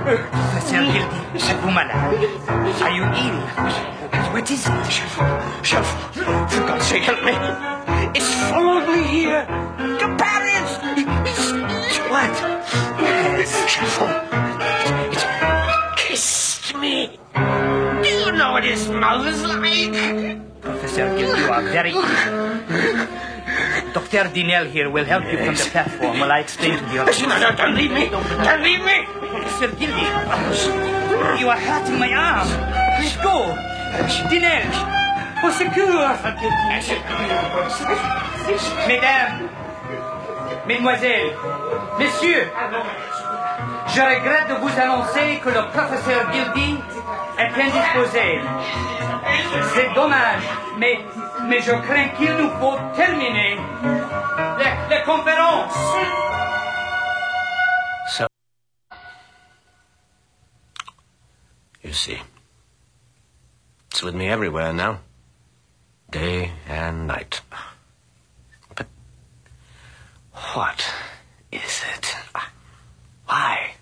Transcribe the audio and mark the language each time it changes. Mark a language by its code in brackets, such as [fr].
[fr] Professor Gildy, êtes vous malade? [en] Are you ill? What is it? Shelf, for God's sake, help me. It's followed me here. To Paris. What? Shelf, it kissed me. Do you know what his mouth is like? Professor, you are very... Dr. Dinel here will help you from the platform while I explain to the others. No, don't leave me. Sir Gildy, you are hurting my arm. Please go. Dinel, [fr] au secours. Mesdames, mesdemoiselles, messieurs, je regrette de vous annoncer que le professeur Gildy est indisposé. C'est dommage, mais je crains qu'il nous faut terminer la conférence. [en] So, you see, it's with me everywhere now, day and night. But what is it? Why?